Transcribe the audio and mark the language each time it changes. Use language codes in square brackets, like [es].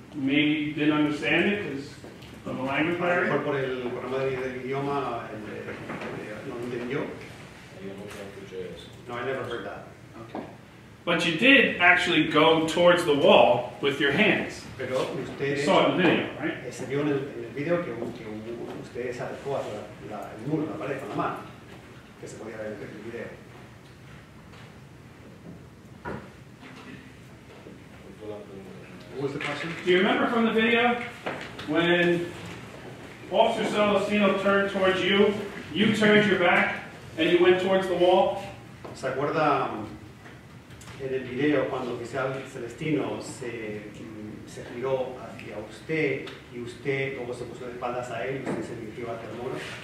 [en] Maybe you didn't understand it because of the language barrier. [es] Por por el problema del idioma, no entendió. [en] No, I never heard that. Okay. But you did actually go towards the wall with your hands. [es] Pero usted [en] saw it in the video, right? [es] Se vio en el video que usted se acercó hacia la, el muro, la pared, con la mano, que se podía ver en el video. [en] What was the question? Do you remember from the video when Officer Celestino turned towards you, you turned your back, and you went towards the wall? [es] ¿Se acuerda en el video cuando oficial Celestino se se giró hacia usted y usted luego se puso de espaldas a él y usted se dirigió hacia el muro?